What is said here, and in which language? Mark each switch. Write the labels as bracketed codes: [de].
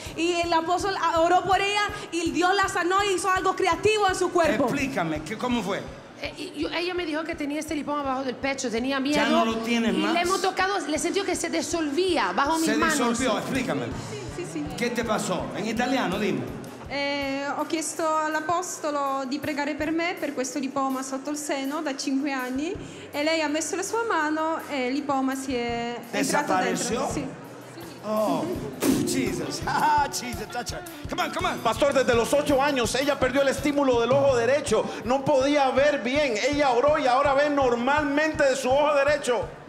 [es] Y el apóstol oró por ella y Dios la sanó y hizo algo creativo en su cuerpo. Explícame, ¿cómo fue? Ella me dijo que tenía este lipoma bajo del pecho, tenía miedo. Ya no lo tiene y más. Le hemos tocado, le sentí que se disolvía bajo mis manos. Se disolvió, explícame. Sí. ¿Qué te pasó? En italiano, dime. [it] Ho chiesto all'apostolo di pregare per me per questo lipoma sotto il seno da 5 anni e lei ha messo la sua mano e il lipoma si è entrato dentro. [en] Sì. Oh, Jesus. Jesus, come on. [es] Pastor, desde los 8 años, ella perdió el estímulo del ojo derecho. No podía ver bien. Ella oró y ahora ve normalmente de su ojo derecho.